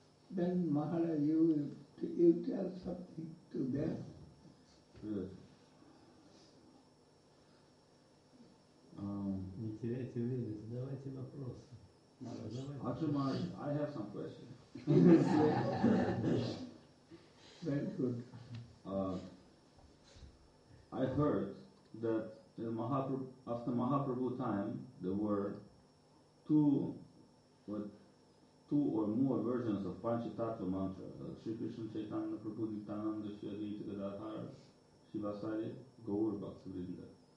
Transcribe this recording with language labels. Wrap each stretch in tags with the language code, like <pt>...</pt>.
<en>Then Maharaj, you tell something to them.</en> <ru>Не теряйте время, задавайте вопросы.</ru> <en>Маш, I have some questions. Very good. I heard that in after Mahaprabhu time, there were two or more versions of Panchatattva mantra, Sri Krishna Chaitanya Prabhu Nityananda Sri Adita Gadadhara Shivasari Gaur Bhaktivinoda.</en>